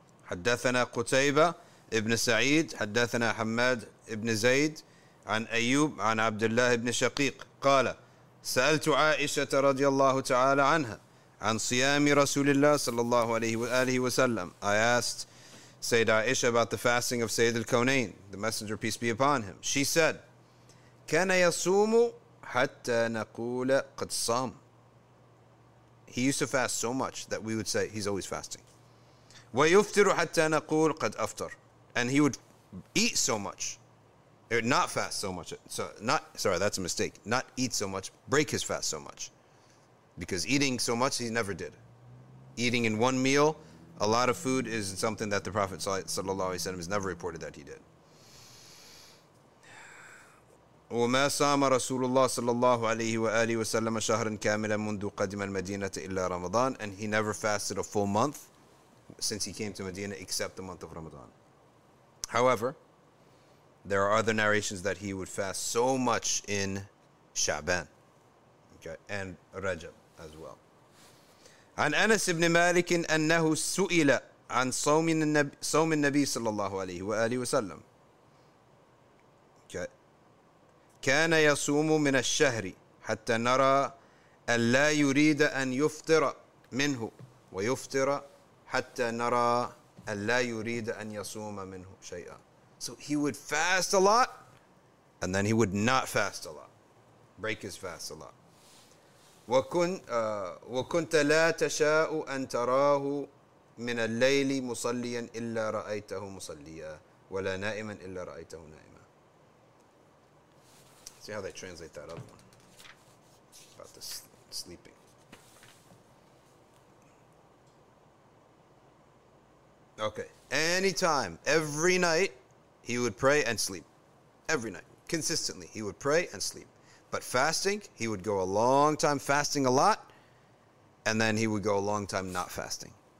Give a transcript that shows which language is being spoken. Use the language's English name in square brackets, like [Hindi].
[Arabic] Haddathana Qutayba ibn Sa'id, haddathana Hamad ibn Zayd, an Ayyub, an Abdullah ibn Shaqiq, qala, sa'altu Aisha radiyallahu ta'ala anha, عن صيام رسول الله صلى الله عليه وآله وسلم. [English] I asked Sayyid Aisha about the fasting of Sayyid al-Kawnain, the Messenger, peace be upon him. She said, [Arabic] كان يصوم حتى نقول قد صام. [English] He used to fast so much that we would say he's always fasting. [Arabic] ويفطر حتى نقول قد أفطر. [English] And he would eat so much, or not fast so much. Not eat so much, break his fast so much. Because eating so much, he never did. Eating in one meal, a lot of food, is something that the Prophet ﷺ has never reported that he did. [Arabic] وَمَا صَامَ رَسُولُ اللَّهِ صَلَّى اللَّهُ عَلَيْهِ وَآلِهِ وَسَلَّمَ شَهْرًا كَامِلًا مُنْدُ قَدِمَ الْمَدِينَةِ إِلَّا رَمَضَانَ. [English] And he never fasted a full month since he came to Medina except the month of Ramadan. However, there are other narrations that he would fast so much in Sha'ban. Okay, and Rajab as well. [Arabic] عن أنس بن مالك أنه سئل عن صوم النبي صلى الله عليه وآله وسلم. كان يصوم من الشهر حتى نرى أن لا يريد أن يفطر منه ويفطر حتى نرى ألا يريد أن يصوم منه شيئا. [English] So he would fast a lot, and then he would not fast a lot, break his fast a lot. [Arabic] وكنت لا تشاء أن تراه من الليل مصليا إلا رأيته مصليا ولا نائما إلا رأيته نائما. [English] See how they translate that other one about the sleeping. Okay, anytime, every night, he would pray and sleep. Every night, consistently, he would pray and sleep. But fasting, he would go a long time fasting a lot, and then he would go a long time not fasting.